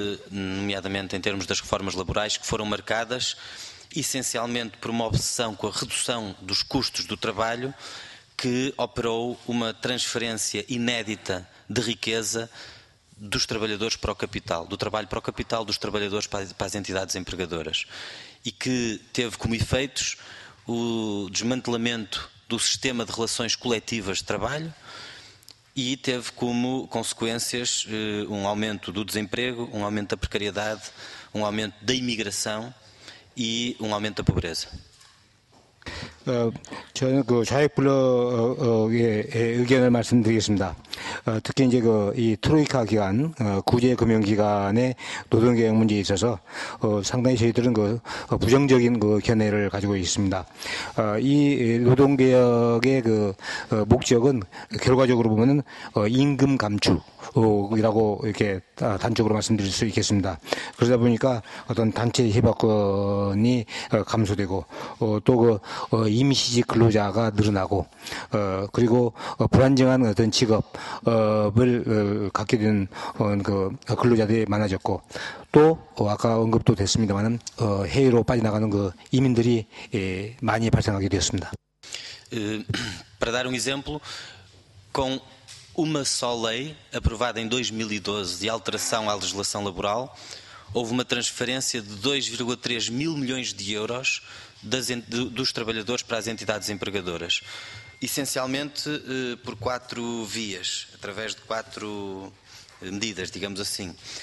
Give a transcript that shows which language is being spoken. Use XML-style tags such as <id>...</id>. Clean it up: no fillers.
<pt>nomeadamente em termos das reformas laborais que foram marcadas essencialmente por uma obsessão com a redução dos custos do trabalho que operou uma transferência inédita de riqueza dos trabalhadores para o capital, do trabalho para o capital, dos trabalhadores para as entidades empregadoras, e que teve como efeitos o desmantelamento do sistema de relações coletivas de trabalho e teve como consequências um aumento do desemprego, um aumento da precariedade, um aumento da imigração e um aumento da pobreza.</pt> <ko>저는 그 좌익 블록의 의견을 말씀드리겠습니다. 특히 이제 그 이 트로이카 기간, 구제금융기관의 노동개혁 문제에 있어서 상당히 저희들은 그 부정적인 그 견해를 가지고 있습니다. 이 노동개혁의 그 목적은 결과적으로 보면은 임금 감축이라고 이렇게 단적으로 말씀드릴 수 있겠습니다. 그러다 보니까 어떤 단체 협약권이 감소되고 또 그 임시직 근로자가 늘어나고 그리고 불안정한 어떤 직업을 갖게 된 그 근로자들이 많아졌고 또 아까 언급도 됐습니다만은 해외로 빠져나가는 그 이민들이 많이 발생하게 되었습니다.</ko> <pt>Para dar um exemplo, com uma só lei aprovada em 2012 de alteração à legislação laboral, houve uma transferência de 2,3 mil milhões de euros dos trabalhadores para as entidades empregadoras, essencialmente por 4 vias, através de 4 medidas, digamos assim.</pt>